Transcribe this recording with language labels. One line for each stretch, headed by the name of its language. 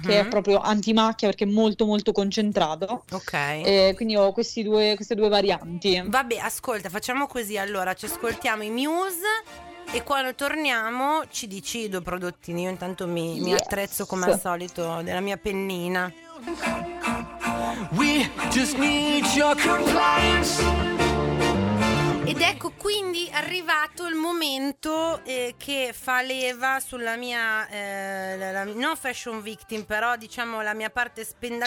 Italian: Che è proprio antimacchia perché è molto molto concentrato. Ok. Quindi ho queste due varianti. Vabbè, ascolta, facciamo così allora, ci ascoltiamo i Muse... E quando torniamo ci dici i due prodottini. Io intanto mi attrezzo come al solito della mia pennina.
English: We just need your compliance.
Italian: Ed ecco quindi arrivato il momento che fa leva sulla mia, la, non fashion victim, però diciamo la mia parte spendacciona.